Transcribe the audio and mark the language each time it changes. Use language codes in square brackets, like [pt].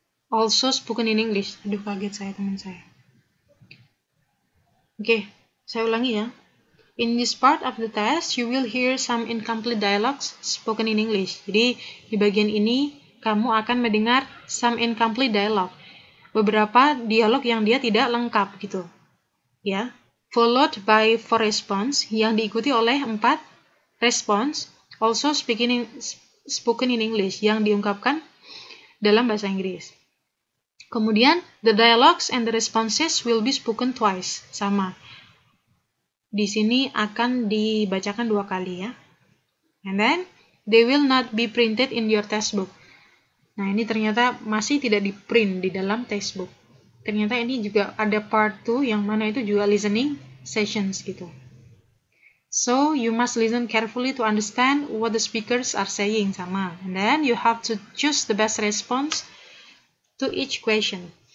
[en] Also spoken in English. [id] Aduh, kaget saya, teman saya. Oke. Saya ulangi ya. [en] In this part of the test, you will hear some incomplete dialogues spoken in English. [id] Jadi, di bagian ini, kamu akan mendengar [en] some incomplete dialogue. [id] Beberapa dialog yang dia tidak lengkap, gitu. Ya. [en] Followed by four response, [id] yang diikuti oleh empat response, [en] also spoken in English, [id] yang diungkapkan dalam bahasa Inggris. Kemudian, [en] the dialogues and the responses will be spoken twice. [id] Sama. Di sini akan dibacakan dua kali ya. [en] And then, they will not be printed in your textbook. [id] Nah, ini ternyata masih tidak di-print di dalam textbook. Ternyata ini juga ada part 2 yang mana itu juga listening sessions gitu. [en] So, you must listen carefully to understand what the speakers are saying [id] sama. [en] And then, you have to choose the best response to each question.